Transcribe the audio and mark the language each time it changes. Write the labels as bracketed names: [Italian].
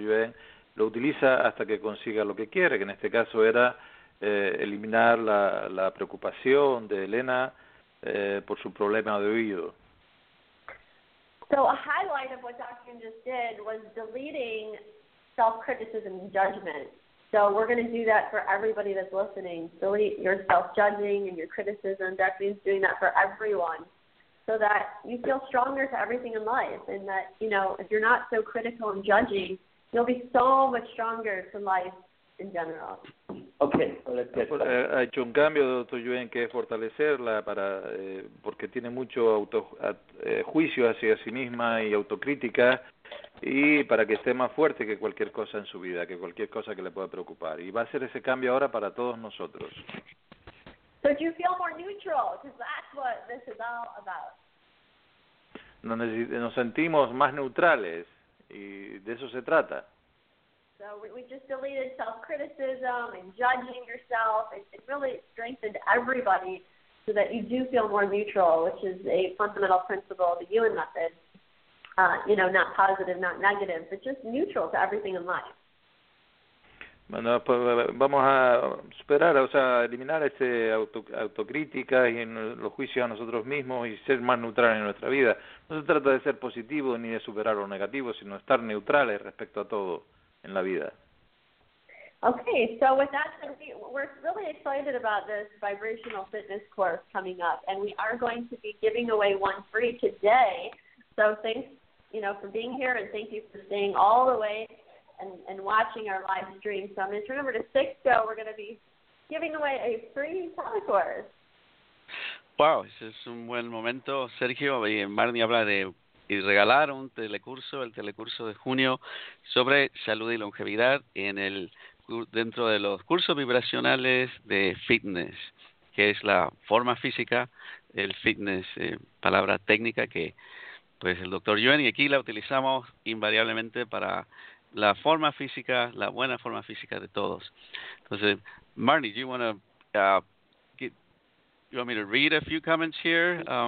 [Spanish] Yuen, lo utiliza hasta que consiga lo que quiere, que en este caso era eliminar la preocupación de Elena por su problema de oído. [English] So a highlight of what Dr. Yuen just did was deleting self-criticism and judgment. So we're going to do that for everybody that's listening. Delete your self-judging and your criticism. Dr. Yuen's doing that for everyone so that you feel stronger to everything in life, and that, you know, if you're not so critical and judging, You'll be so much stronger to life in general. Okay, well, let's get started. [Spanish] Ha hecho un cambio, doctor Yuen, que es fortalecerla para, porque tiene mucho juicio hacia sí misma y autocrítica, y para que esté más fuerte que cualquier cosa en su vida, que cualquier cosa que le pueda preocupar. Y va a ser ese cambio ahora para todos nosotros. [English] So do you feel more neutral? Because that's what this is all about. [Spanish] Nos sentimos más neutrales, y de eso se trata. [English] So we just deleted self-criticism and judging yourself. It really strengthened everybody so that you do feel more neutral, which is a fundamental principle of the Yuen method. You know, not positive, not negative, but just neutral to everything in life. [Spanish] Bueno, pues vamos a superar, o sea, eliminar ese autocrítica y los juicios a nosotros mismos y ser más neutrales en nuestra vida. No se trata de ser positivo ni de superar lo negativo, sino estar neutrales respecto a todo en la vida. [English] Okay, so with that said, we're really excited about this vibrational fitness course coming up, and we are going to be giving away one free today. So thanks, you know, for being here, and thank you for staying all the way and watching our live stream. So I'm going to turn over to Sixto. We're going to be giving away a free sauna course. Wow, this is a good moment. [Spanish] Sergio y Marnie habla de y regalar un telecurso, el telecurso de junio, sobre salud y longevidad en el dentro de los cursos vibracionales de fitness, que es la forma física, el fitness, palabra técnica que pues el doctor Yuen y aquí la utilizamos invariablemente para la forma física, la buena forma física de todos. Entonces, [English] Marnie, do you want to you want me to read a few comments here?